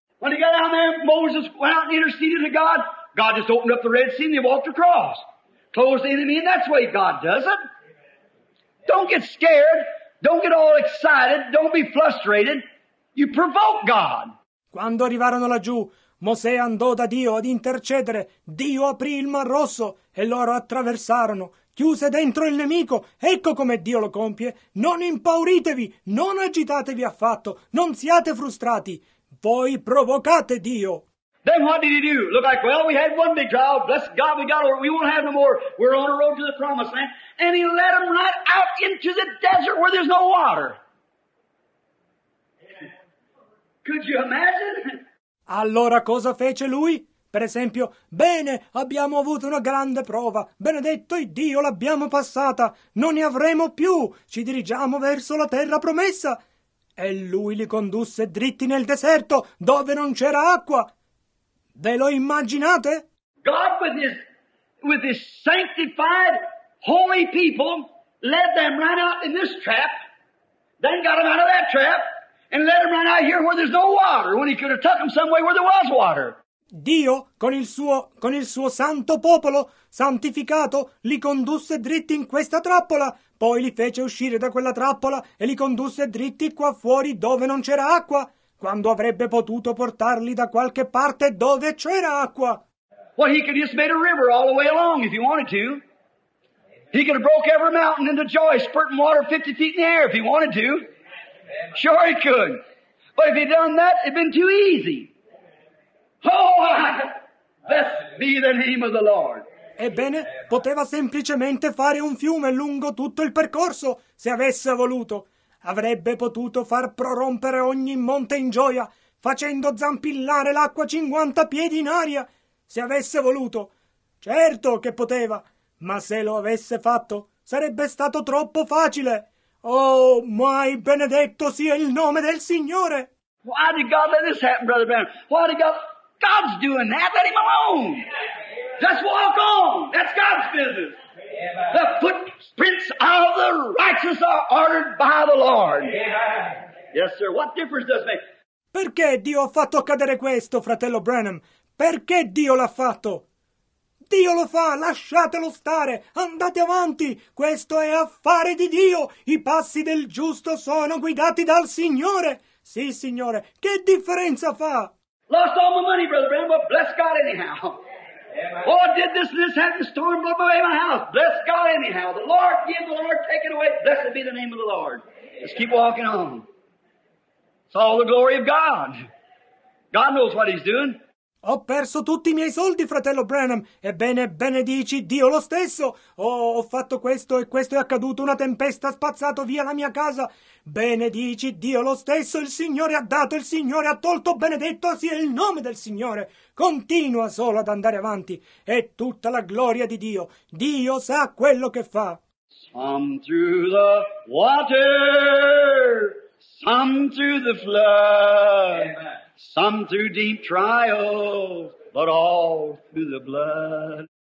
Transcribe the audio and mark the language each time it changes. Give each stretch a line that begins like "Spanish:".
English: When he got down there, Moses went out and interceded to God. God just opened up the Red Sea and they walked across. Closed the enemy and that's the way God does it. Don't get scared. Don't get all excited. Don't be frustrated. You provoke God.
Italian: Quando arrivarono laggiù, Mosè andò da Dio ad intercedere. Dio aprì il Mar Rosso e loro attraversarono. Chiuse dentro il nemico. Ecco come Dio lo compie. Non impauritevi, non agitatevi affatto, non siate frustrati. Voi provocate Dio.
English: Then what did he do? Look like, well, we had one big trial. Bless God, we got over. We won't have no more. We're on the road to the promised land. And he led them right out into the desert where there's no water. Could you imagine?
Italian: Allora cosa fece lui? Per esempio, bene, abbiamo avuto una grande prova. Benedetto il Dio, l'abbiamo passata. Non ne avremo più. Ci dirigiamo verso la terra promessa. E lui li condusse dritti nel deserto, dove non c'era acqua. Ve lo immaginate?
English: God with his sanctified holy people led them right out in this trap, then got them out of that trap and led them right out here where there's no water when he could have took them some way where there was water.
Italian: Dio con il suo santo popolo santificato li condusse dritti in questa trappola, poi li fece uscire da quella trappola e li condusse dritti qua fuori dove non c'era acqua. Quando avrebbe potuto portarli da qualche parte dove c'era acqua.
English: Well, he could have just made a river all the way along if he wanted to. He could have broke every mountain into joy, spurting water 50 feet in the air if he wanted to. Sure he could. But if he'd done that, it'd been too easy. Oh, blessed be the name of the Lord.
Italian: Ebbene, poteva semplicemente fare un fiume lungo tutto il percorso se avesse voluto. Avrebbe potuto far prorompere ogni monte in gioia, facendo zampillare l'acqua 50 piedi in aria, se avesse voluto. Certo che poteva, ma se lo avesse fatto, sarebbe stato troppo facile. Oh, mai benedetto sia il nome del Signore!
English: Why did God let this happen, Brother Branham? Why did God... God's doing that, let him alone! Just walk on, that's God's business! The footprints of the righteous are ordered by the Lord. Yes, sir. What difference does it make?
Italian: Perché Dio ha fatto accadere questo, fratello Branham? Perché Dio l'ha fatto? Dio lo fa, lasciatelo stare, andate avanti. Questo è affare di Dio. I passi del giusto sono guidati dal Signore. Sì, Signore, che differenza fa?
English: Lost all my money, Brother Branham, but bless God anyhow. Oh, did this have the storm blow away my house? Bless God anyhow. The Lord give, the Lord take it away. Blessed be the name of the Lord. Let's keep walking on. It's all the glory of God. God knows what he's doing.
Italian: Ho perso tutti i miei soldi, fratello Branham. Ebbene, benedici Dio lo stesso. Oh, ho fatto questo e questo è accaduto. Una tempesta ha spazzato via la mia casa. Benedici Dio lo stesso. Il Signore ha dato, il Signore ha tolto. Benedetto sia il nome del Signore. Continua solo ad andare avanti. È tutta la gloria di Dio. Dio sa quello che fa.
English: Some through the water, some through the flood. Amen. Some through deep trials, but all through the blood.